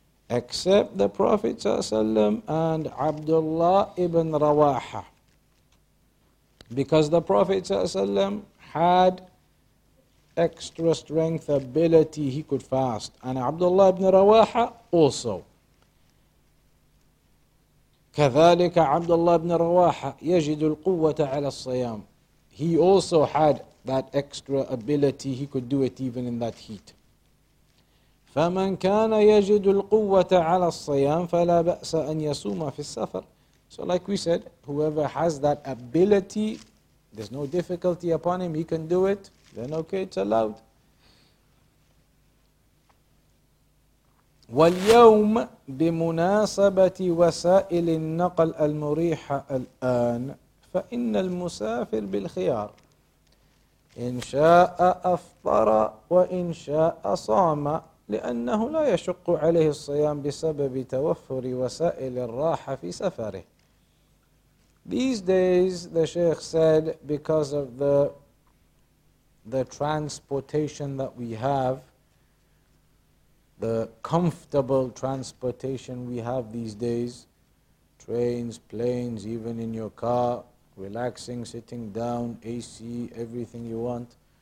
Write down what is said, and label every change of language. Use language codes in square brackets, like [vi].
[en] Except the Prophet sallallahu alaihi wasallam and Abdullah ibn Rawaha. Because the Prophet sallallahu alaihi wasallam had extra strength, ability, he could fast. And Abdullah ibn Rawaha also. [ar] كذلك عبد الله بن رواحة يجد القوة على الصيام. [en] He also had that extra ability. He could do it even in that heat. [ar] فمن كان يجد القوة على الصيام فلا بأس أن يصوم في السفر. [en] So like we said, whoever has that ability, there's no difficulty upon him. He can do it. Then okay, it's allowed. [ar] واليوم بمناسبة وسائل النقل المريحة الآن فإن المسافر بالخيار إن شاء أفطر وإن شاء صام لأنه لا يشق عليه الصيام بسبب توفر وسائل الراحة في سفره. [en] These days the Sheikh said because of the transportation that we have, the comfortable transportation we have these days, trains, planes, even in your car, relaxing, sitting down, AC, everything you want.